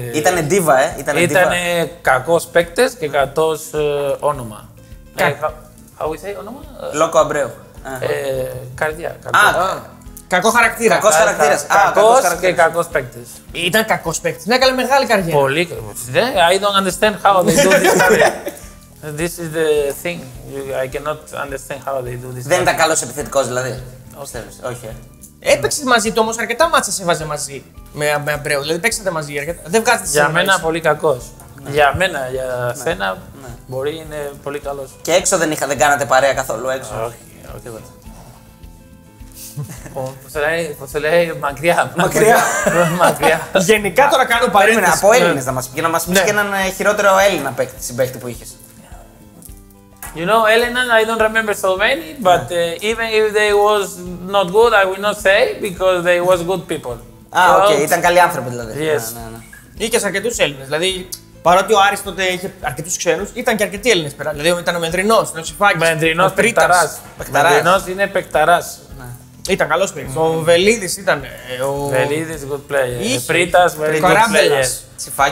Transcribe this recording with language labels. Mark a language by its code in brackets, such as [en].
[el] Ήτανε ντίβα, ε. Ήτανε κακός παίκτης και κακός όνομα. [en] How we say όνομα? [el] Λόκο Αβραίου. Καρδιά. Κακό χαρακτήρα. Κακός χαρακτήρας. Κακός και κακός παίκτης. Ήταν κακός παίκτης. Ναι, έκανε μεγάλη καριέρα. [en] Πολύ. I don't understand how they do this career. This is the thing. I cannot understand how they do this. [el] Δεν ήταν καλός επιθετικός δηλαδή. Όχι. Έπαιξε μαζί του όμως αρκετά μάτσα σε βάζε μαζί. Με Αμπρέου. Δηλαδή παίξατε μαζί αρκετά. Δεν βγάζετε για μένα πολύ κακός. Για μένα, για σένα μπορεί είναι πολύ καλός. Και έξω δεν κάνατε παρέα καθόλου έξω. Όχι, όχι. Πώς το λέει, μακριά. Μακριά. Γενικά τώρα κάνω παρέμβαση. Από Έλληνες να μας πει. Για να μας πει και έναν χειρότερο Έλληνα συμπαίκτη που είχες. [en] You know, Έλληνα, I don't remember so many, but even if they was not good, I will not say, because they was good people. [el] Α, οκ, ήταν καλοί άνθρωποι δηλαδή. [en] Yes. [el] Είχες αρκετούς Έλληνες, δηλαδή. Παρότι ο Άρης τότε είχε αρκετούς ξένους, ήταν και αρκετοί Έλληνες πέρα. Δηλαδή ήταν ο Μεντρινός, ο Σιφάκης. Μεντρινός, παικταράς. Μεντρινός είναι παικταράς. Ήταν καλός παίκτης. Ο Βελίδης ήταν. Ο [en] Βελίδης, good player. Πρίτας, very good player.